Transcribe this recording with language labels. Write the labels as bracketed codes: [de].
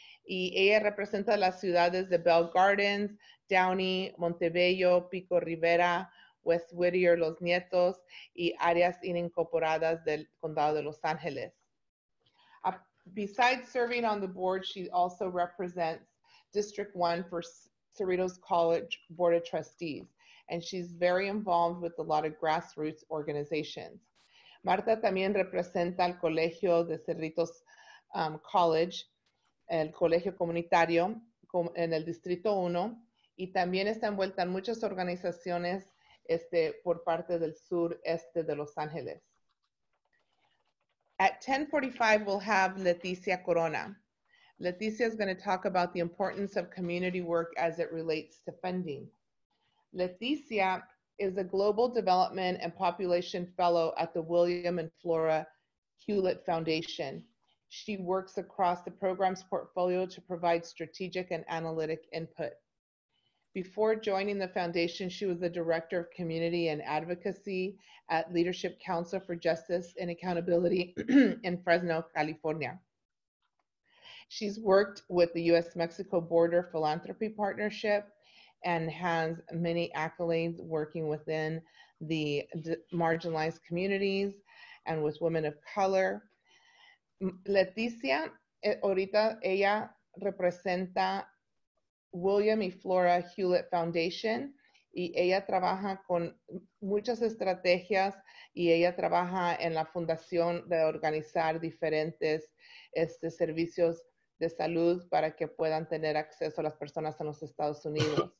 [es] Y ella representa las ciudades de Bell Gardens, Downey, Montebello, Pico Rivera, West Whittier, Los Nietos, y áreas inincorporadas del condado de Los Ángeles. [en] Besides serving on the board, she also represents District 1 for Cerritos College Board of Trustees, and she's very involved with a lot of grassroots organizations. [es] Marta también representa al Colegio de Cerritos College, el Colegio Comunitario, en el Distrito 1, y también está envuelta en muchas organizaciones por parte del sur este de Los Ángeles. [en] At 10:45, we'll have Leticia Corona. Leticia is going to talk about the importance of community work as it relates to funding. Leticia is a Global Development and Population Fellow at the William and Flora Hewlett Foundation. She works across the program's portfolio to provide strategic and analytic input. Before joining the foundation, she was the director of community and advocacy at Leadership Council for Justice and Accountability in Fresno, California. She's worked with the U.S.-Mexico Border Philanthropy Partnership and has many accolades working within the marginalized communities and with women of color. [es] Leticia, ahorita ella representa William y Flora Hewlett Foundation, y ella trabaja con muchas estrategias, y ella trabaja en la fundación de organizar diferentes servicios de salud para que puedan tener acceso a las personas en los Estados Unidos.